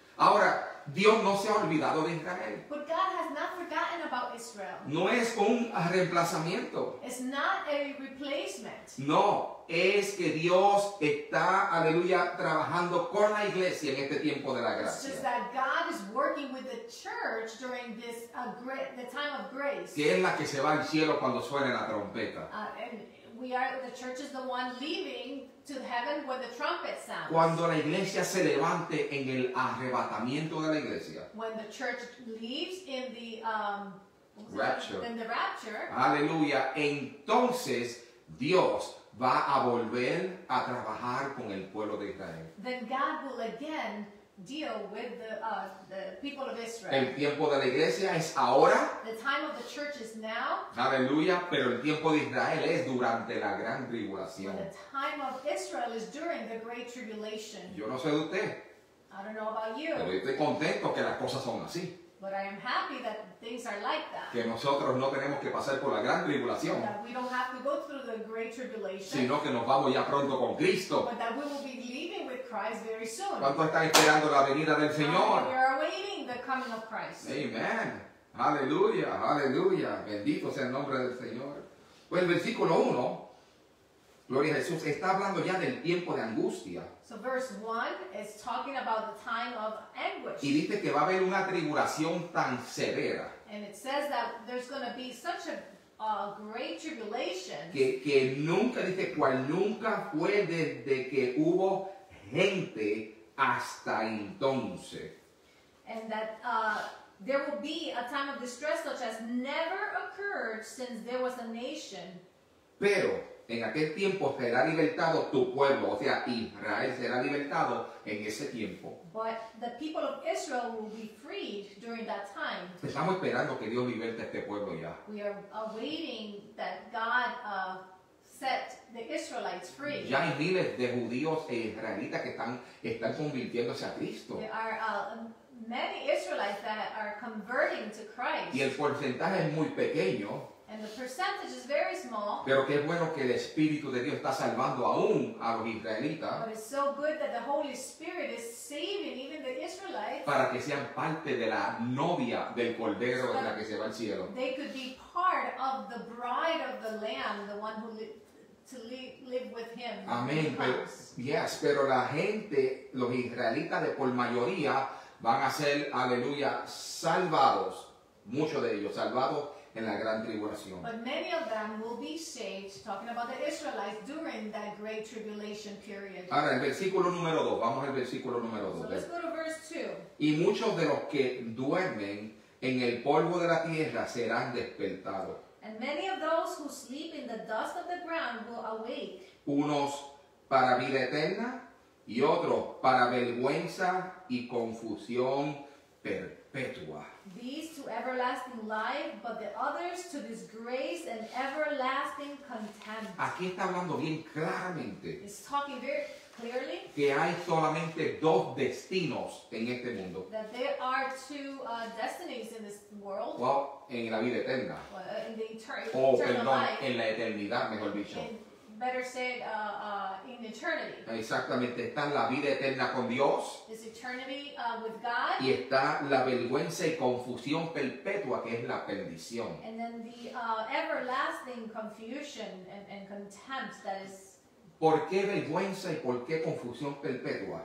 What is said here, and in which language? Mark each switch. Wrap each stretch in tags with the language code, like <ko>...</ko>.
<es>Ahora, Dios no se ha olvidado de Israel.</es> <en>But God has not forgotten about Israel.</en> <es>No es un reemplazamiento.</es> <en>It's not a replacement.</en> <es>No, es que Dios está, aleluya, trabajando con la iglesia en este tiempo de la gracia.</es> <en>It's just that God is working with the church during this the time of grace.</en> <es>Que es la que se va al cielo cuando suene la trompeta.</es> <en>The church is the one leaving to heaven when the trumpet sounds.</en> <es>Cuando la iglesia se levante en el arrebatamiento de la iglesia.</es> <en>When the church leaves in the rapture. In the rapture.</en> <es>Aleluya. Entonces Dios va a volver a trabajar con el pueblo de Israel.</es> <en>Then God will again deal with the people of Israel.</en> <es>El tiempo de la iglesia es ahora.</es> <en>The time of the church is now.</en> <es>Aleluya, pero el tiempo de Israel es durante la gran tribulación.</es> <en>The time of Israel is during the great tribulation.</en> <es>Yo no sé de usted.</es> <en>I don't know about you.</en> <es>Pero yo estoy contento que las cosas son así.</es> <en>But I am happy that things are like that.</en> <es>Que nosotros no tenemos que pasar por la gran tribulación.</es> <en>That we don't have to go through the great tribulation.</en> <es>Sino que nos vamos ya pronto con Cristo.</es> <en>But that we will be leaving with Christ very soon.</en> <es>¿Cuánto están esperando la venida del Señor?</es> <en>We are waiting the coming of Christ.</en> <es>Amen. Aleluya, aleluya. Bendito sea el nombre del Señor. Pues el versículo 1. Gloria a Jesús. Está hablando ya del tiempo de angustia.</es> <en>So verse 1 is talking about the time of anguish.</en> <es>Y dice que va a haber una tribulación tan severa.</es> <en>And it says that there's going to be such a great tribulation.</en> <es>Que nunca, dice, cual nunca fue desde que hubo gente hasta entonces.</es> <en>And that there will be a time of distress such as never occurred since there was a nation.</en> <es>Pero en aquel tiempo será libertado tu pueblo, o sea, Israel será libertado en ese tiempo.</es> <en>But the people of Israel will be freed during that time.</en> <es>Estamos esperando que Dios liberte este pueblo ya.</es> <en>We are awaiting that God set the Israelites free.</en> <es>Ya hay miles de judíos e israelitas que están convirtiéndose a Cristo.</es> <en>There are many Israelites that are converting to Christ.</en> <es>Y el porcentaje es muy pequeño.</es> <en>And the percentage is very small.</en> <es>Pero qué bueno que el Espíritu de Dios está salvando aún a los israelitas.</es> <en>But it's so good that the Holy Spirit is saving even the Israelites.</en> <es>Para que sean parte de la novia del Cordero de la que se va al cielo.</es> <en>They could be part of the bride of the Lamb, the one who to live with him.</en> <es>Amén. Yes, pero la gente, los israelitas de por mayoría, van a ser, aleluya, salvados, muchos de ellos salvados en la gran tribulación.</es> <en>But many of them will be saved, talking about the Israelites, during that great tribulation period.</en> <es>Ahora, el versículo número 2, vamos al versículo número 2.</es> <en>So let's go to verse 2.</en> <es>Y muchos de los que duermen en el polvo de la tierra serán despertados.</es> <en>And many of those who sleep in the dust of the ground will awake.</en> <es>Unos para vida eterna y otros para vergüenza y confusión perpetua.</es> <en>These to everlasting life, but the others to disgrace and everlasting contempt.</en> <es>Aquí está hablando bien claramente.</es> <en>It's talking very clearly.</en> <es>Que hay solamente dos destinos en este mundo.</es> <en>That there are two destinies in this world.</en> <es>Well, en la vida eterna. En la eternidad, mejor dicho.</es> <en>Better said, in eternity.</en> <es>Exactamente, está la vida eterna con Dios.</es> <en>This eternity with God.</en> <es>Y está la vergüenza y confusión perpetua, que es la perdición.</es> <en>And then the everlasting confusion and contempt that is.</en> <es>¿Por qué vergüenza y por qué confusión perpetua?</es>